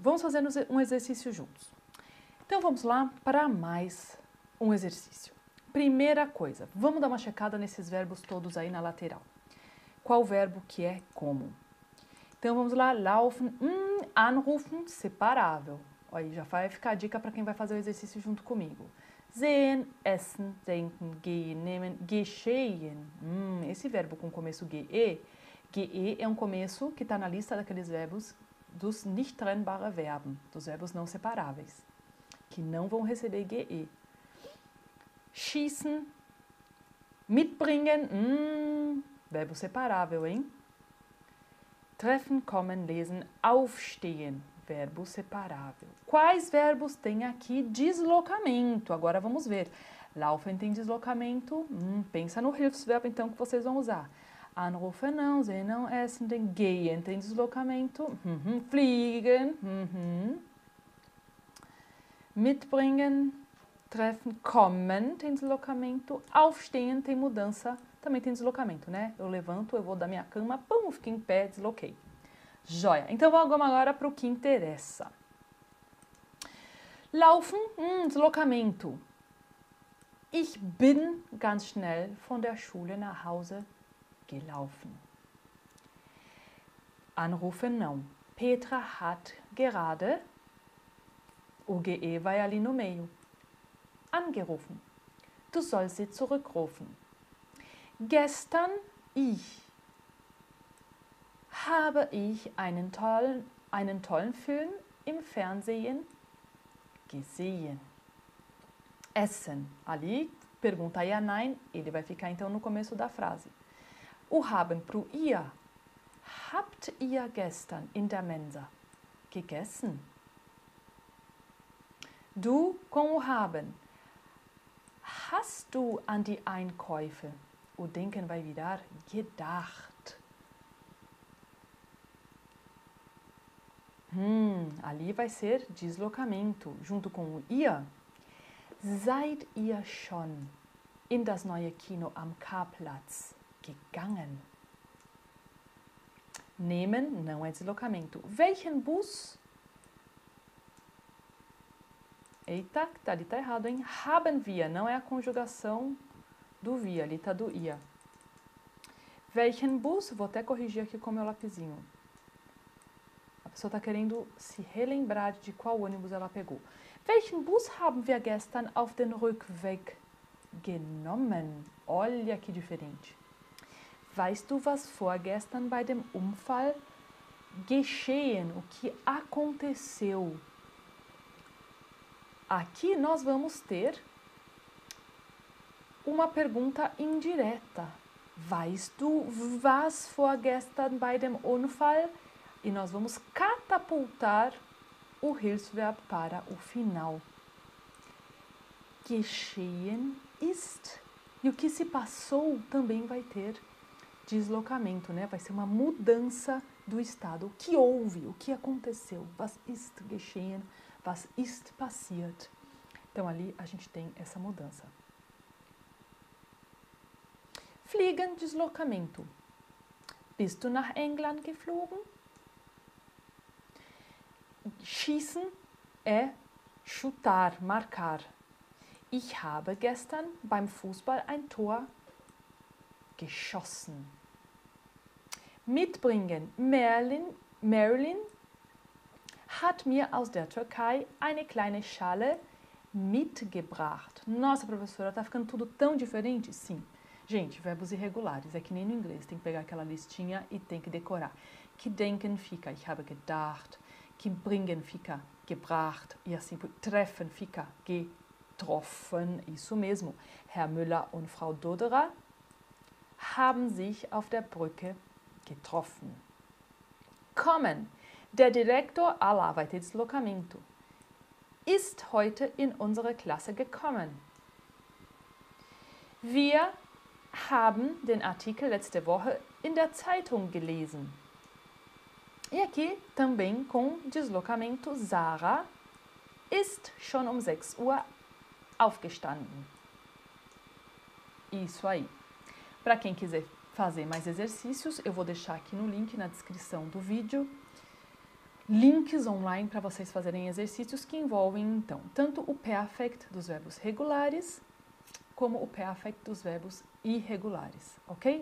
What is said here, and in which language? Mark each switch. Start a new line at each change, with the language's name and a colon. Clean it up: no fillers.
Portuguese: Vamos fazer um exercício juntos. Então vamos lá para mais um exercício. Primeira coisa, vamos dar uma checada nesses verbos todos aí na lateral. Qual verbo que é como? Então vamos lá,
German: laufen, anrufen,
Portuguese: separável. Aí já vai ficar a dica para quem vai fazer o exercício junto comigo.
German: Sehen, essen, denken, gehen, nehmen, geschehen.
Portuguese: Esse verbo com começo ge é um começo que está na lista daqueles verbos dos
German: nicht trennbare Verben,
Portuguese: dos verbos não separáveis, que não vão receber GE.
German: Schießen, mitbringen,
Portuguese: verbo separável, hein?
German: Treffen, kommen, lesen, aufstehen,
Portuguese: verbo separável. Quais verbos têm aqui deslocamento? Agora vamos ver. Laufen tem deslocamento, pensa no Hilfsverb então que vocês vão usar. Anrufen não, sehen não, essen tem, gehen tem deslocamento, fliegen, mitbringen, treffen, kommen tem deslocamento, aufstehen tem mudança, também tem deslocamento, né? Eu levanto, eu vou da minha cama, pum, fico em pé, desloquei. Joia! Então vamos agora para o que interessa. Laufen, deslocamento.
German: Ich bin ganz schnell von der Schule nach Hause gelaufen.
Portuguese: Anrufen não.
German: Petra hat gerade,
Portuguese: o GE vai ali no meio,
German: angerufen. Du sollst sie zurückrufen. Gestern habe ich einen tollen Film im Fernsehen gesehen.
Portuguese: Essen. Ali pergunta
German: ja, nein.
Portuguese: Ele vai ficar então no começo da frase. O haben pro ihr.
German: Habt ihr gestern in der Mensa gegessen? Du
Portuguese: com o
German: haben. Hast du an die Einkäufe, o denken
Portuguese: vai virar,
German: gedacht?
Portuguese: Ali vai ser deslocamento. Junto com o ihr.
German: Seid ihr schon in das neue Kino am Karplatz gegangen?
Portuguese: Nehmen não é deslocamento.
German: Welchen Bus?
Portuguese: Eita, ali tá errado, hein?
German: Haben wir,
Portuguese: não é a conjugação do wir, ali tá do ihr.
German: Welchen Bus?
Portuguese: Vou até corrigir aqui com o meu lapisinho. A pessoa tá querendo se relembrar de qual ônibus ela pegou.
German: Welchen Bus haben wir gestern auf den Rückweg genommen?
Portuguese: Olha que diferente.
German: Weißt du, was vorgestern bei dem Unfall geschehen?
Portuguese: O que aconteceu? Aqui nós vamos ter uma pergunta indireta.
German: Weißt du, was vorgestern bei dem Unfall?
Portuguese: E nós vamos catapultar o Hilfsverb para o final.
German: Geschehen ist.
Portuguese: E o que se passou também vai ter deslocamento, né? Vai ser uma mudança do estado. O que houve? O que aconteceu?
German: Was ist geschehen? Was ist passiert?
Portuguese: Então ali a gente tem essa mudança. Fliegen deslocamento.
German: Bist du nach England geflogen?
Portuguese: Schießen é chutar, marcar.
German: Ich habe gestern beim Fußball ein Tor geschossen. Mitbringen. Marilyn hat mir aus der Türkei eine kleine Schale mitgebracht.
Portuguese: Nossa, professora, tá ficando tudo tão diferente? Sim. Gente, verbos irregulares. É que nem no inglês. Tem que pegar aquela listinha e tem que decorar. Que denken fica,
German: ich habe gedacht.
Portuguese: Que bringen fica, gebracht. E assim, treffen fica,
German: getroffen.
Portuguese: Isso mesmo.
German: Herr Müller und Frau Doderer haben sich auf der Brücke getroffen. Kommen. Der Direktor, Allah,
Portuguese: vai ter deslocamento.
German: Ist heute in unsere Klasse gekommen. Wir haben den Artikel letzte Woche in der Zeitung gelesen.
Portuguese: E aqui também com deslocamento.
German: Sarah ist schon um 6 Uhr aufgestanden.
Portuguese: Isso aí. Para quem quiser fazer mais exercícios, eu vou deixar aqui no link na descrição do vídeo links online para vocês fazerem exercícios que envolvem, então, tanto o perfect dos verbos regulares como o perfect dos verbos irregulares, ok?